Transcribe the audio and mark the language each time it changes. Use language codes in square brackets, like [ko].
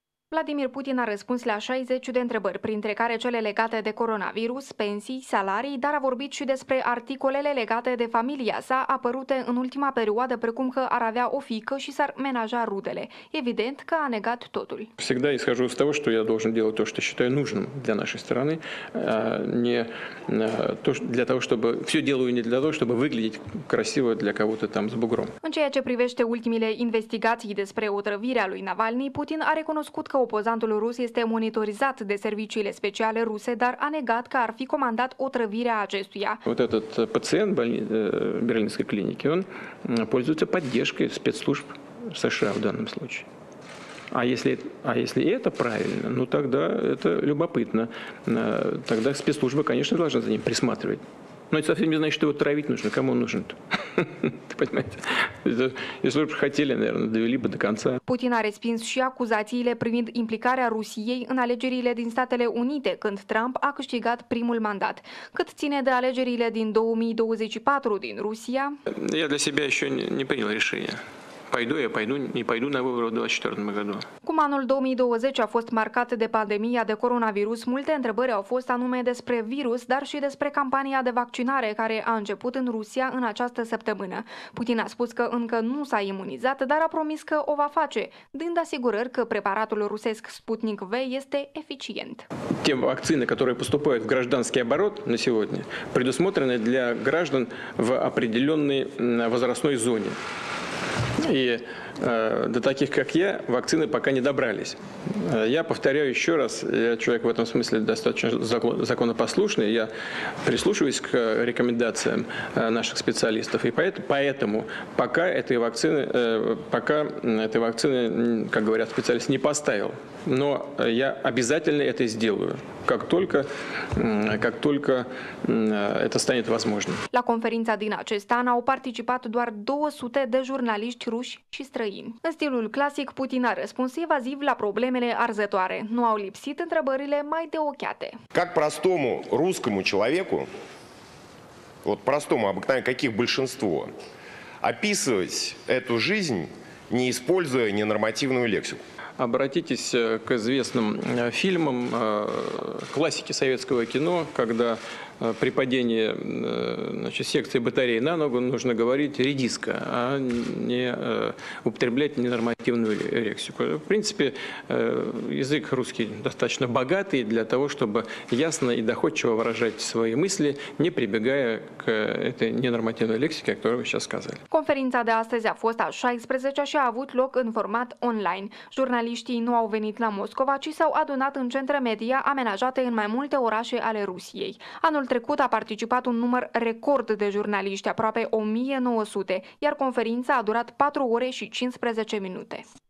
[ro] Vladimir Putin a răspuns la 60 de întrebări, printre care cele legate de coronavirus, pensii, salarii, dar a vorbit și despre articolele legate de familia sa, apărute în ultima perioadă, precum că ar avea o fiică și s-ar menaja rudele. Evident că a negat totul. [ru] Всегда исхожу из того, что я должен делать то, что считаю нужным для нашей страны, а не то, для того, чтобы все делаю не для того, чтобы выглядеть красиво для кого-то там с бугром. [ro] În ceea ce privește ultimile investigații despre otrăvirea lui Navalny, Putin a recunoscut că opozantul rus este monitorizat de serviciile speciale ruse, dar a negat că ar fi comandat otrăvirea acestuia. [ru] Вот этот пациент берлинской клиники, он пользуется поддержкой спецслужб США в данном случае. А если это правильно, ну тогда это любопытно. Тогда спецслужба, конечно, должна за ним присматривать. Но это совсем не значит, что его травить нужно. Кому он нужен-то? Ты понимаете? Если бы хотели, наверное, довели бы до конца. [ro] Путин a respins și acuzațiile privind implicarea Rusiei în alegerile din Statele Unite, când Trump a câștigat primul mandat. Cât ține de alegerile din 2024 din Rusia? [ru] Я для себя еще не принял решение. Пойду на выборы в 2024 году. [ro] Cum anul 2020 a fost marcat de pandemia de coronavirus, multe întrebări au fost anume despre virus, dar și despre campania de vaccinare care a început în Rusia în această săptămână. Putin a spus că încă nu s-a imunizat, dar a promis că o va face, dând asigurări că preparatul rusesc Sputnik V este eficient. [ru] Те вакцины, которые поступают в гражданский оборот на сегодня, предусмотрены для граждан в определенной возрастной зоне. И до таких, как я, вакцины пока не добрались. Я повторяю еще раз, я человек в этом смысле достаточно законопослушный, я прислушиваюсь к рекомендациям наших специалистов, и поэтому пока этой вакцины, как говорят специалисты, не поставил. Но я обязательно это сделаю. Как только это станет возможным. [ro] La conferința din acest an au participat doar 200 de jurnaliști ruși și străini. În stilul clasic, Putin a răspuns evaziv la problemele arzătoare. Nu au lipsit întrebările mai de ochiate. [ru] Как простому русскому человеку, вот простому, обыкновенно, каких большинство, описывать эту жизнь, не используя ненормативную лексику? Обратитесь к известным фильмам, классике советского кино, когда при падении секции батареи на ногу нужно говорить редиска, а не употреблять ненормативную лексику. В принципе, язык русский достаточно богатый для того, чтобы ясно и доходчиво выражать свои мысли, не прибегая к этой ненормативной лексике, о которой вы сейчас сказали. [ro] Conferința de astăzi a fost a 16-a și a avut loc în format online. Jurnaliștii nu au venit la Moscova, ci s-au adunat în centre media amenajate în mai multe orașe ale Rusiei. Anul trecut a participat un număr record de jurnaliști, aproape 1900, iar conferința a durat 4 ore și 15 minute.